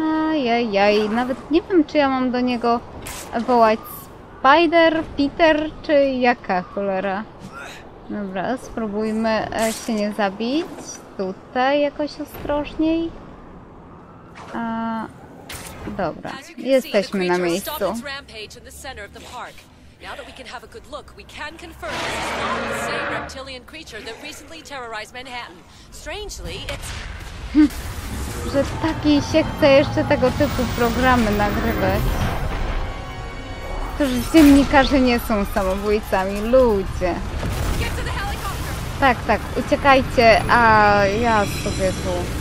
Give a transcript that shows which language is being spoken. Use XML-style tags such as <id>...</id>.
<pl>Ajajaj, nawet nie wiem, czy ja mam do niego wołać Spider, Peter, czy jaka cholera. Dobra, spróbujmy się nie zabić. Tutaj jakoś ostrożniej. Dobra, jesteśmy na miejscu.</pl> <en>Now that we can have a good look, we can confirm this is not the same reptilian creature that recently terrorized Manhattan. Strangely, it's...</en> <pl>Że taki się chce jeszcze tego typu programy nagrywać. To, że dziennikarze nie są samobójcami, ludzie. Tak, tak, uciekajcie, a ja sobie tu.</pl>